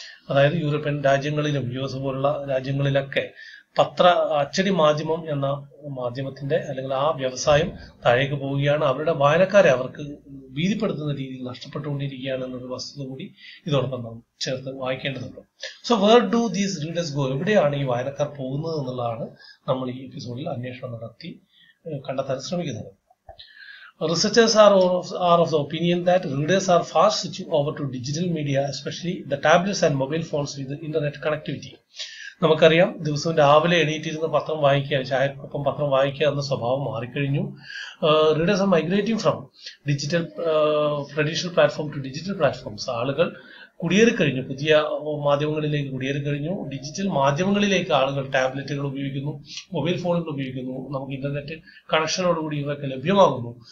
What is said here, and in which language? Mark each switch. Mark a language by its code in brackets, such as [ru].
[ml] അതായത് യൂറോപ്യൻ രാജ്യങ്ങളിലും യുഎസ് പോലുള്ള രാജ്യങ്ങളിലൊക്കെ പത്ര അച്ചടി മാധ്യമം എന്ന മാധ്യമത്തിന്റെ, അല്ലെങ്കിൽ ആ വ്യവസായം താഴേക്ക് പോവുകയാണ്. അവരുടെ വായനക്കാരെ അവർക്ക് ഭീതിപ്പെടുത്തുന്ന രീതിയിൽ നഷ്ടപ്പെട്ടുകൊണ്ടിരിക്കുകയാണ് എന്നൊരു വസ്തുത കൂടി ഇതോടൊപ്പം നാം ചേർത്ത് വായിക്കേണ്ടതുണ്ട്. [en] so where do these readers go, [ml] എവിടെയാണ് ഈ വായനക്കാർ പോകുന്നത് എന്നുള്ളതാണ് നമ്മൾ ഈ എപ്പിസോഡിൽ അന്വേഷണം നടത്തി കണ്ടെത്താൻ ശ്രമിക്കുന്നത്. [en] Researchers are of the opinion that readers are fast switching over to digital media, especially the tablets and mobile phones with internet connectivity. [ml] നമുക്കറിയാം, ദിവസവും രാവിലെ എണീറ്റിരുന്ന് പത്രം വായിക്കുക, ചായക്കൊപ്പം പത്രം വായിക്കുക എന്ന സ്വഭാവം മാറിക്കഴിഞ്ഞു. [en] Readers are migrating from digital traditional platform to digital platforms. [ml] ആളുകൾ കുടിയേറിക്കഴിഞ്ഞു, പുതിയ മാധ്യമങ്ങളിലേക്ക് കുടിയേറിക്കഴിഞ്ഞു. ഡിജിറ്റൽ മാധ്യമങ്ങളിലേക്ക് ആളുകൾ ടാബ്ലറ്റുകൾ ഉപയോഗിക്കുന്നു, മൊബൈൽ ഫോണുകൾ ഉപയോഗിക്കുന്നു, നമുക്ക് ഇന്റർനെറ്റ് കണക്ഷനോടുകൂടി ഇവയൊക്കെ ലഭ്യമാകുന്നു.